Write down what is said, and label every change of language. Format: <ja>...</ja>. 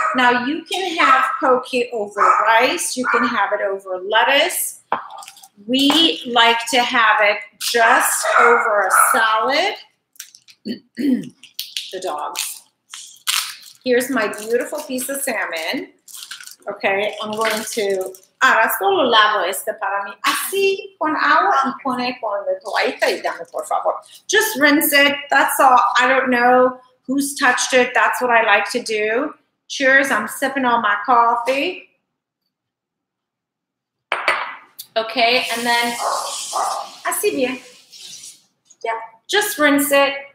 <en>Now, you can have pokey over rice. You can have it over lettuce. We like to have it just over a salad. The dogs. Here's my beautiful piece of salmon. Okay, I'm going to...</en> <es>Ahora solo lavo este para mí. Así, con agua y pone con la toallita y dame, por favor.</es> <en>Just rinse it. That's all. I don't know who's touched it. That's what I like to do. Cheers. I'm sipping on my coffee. Okay, and then...</en> <es>Así bien.</es> <en>Yeah, just rinse it.</en>